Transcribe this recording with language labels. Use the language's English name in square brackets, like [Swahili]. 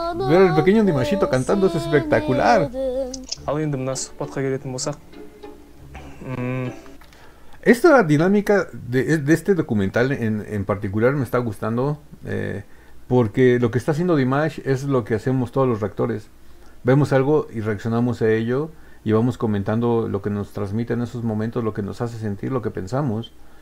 [Spanish] Ver el pequeño Димашito cantando es espectacular. [Kazakh] Ал енді мына сұхбатқа келетін болсақ. [Spanish] Esta dinámica de este documental en particular me está gustando porque lo que está haciendo Димаш es lo que hacemos todos los reactores. Vemos algo y reaccionamos a ello. Y vamos comentando lo que nos transmite en esos momentos, lo que nos hace sentir, lo que pensamos.